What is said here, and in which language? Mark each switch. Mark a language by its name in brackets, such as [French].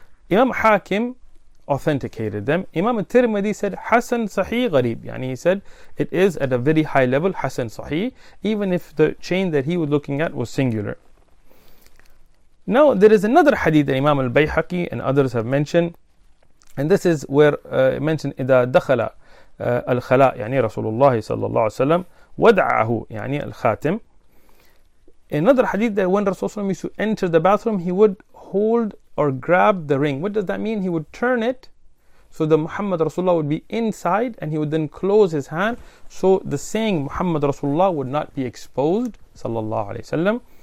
[English] Imam Hakim authenticated them. Imam Tirmidhi said, Hasan Sahih Gharib. Yani he said, it is at a very high level, Hasan Sahih, even if the chain that he was looking at was singular. Now, there is another hadith that Imam Al-Bayhaqi and others have mentioned. And this is where it mentioned, [Arabic] إِذَا دَخَلَ الْخَلَىٰ يعني رسول الله صلى الله عليه وسلم وَدْعَهُ يعني الخاتم. [English] Another hadith that when Rasulullah used to enter the bathroom, he would hold or grab the ring. What does that mean? He would turn it so the Muhammad Rasulullah would be inside, and he would then close his hand so the saying Muhammad Rasulullah would not be exposed, sallallahu alayhi wasallam.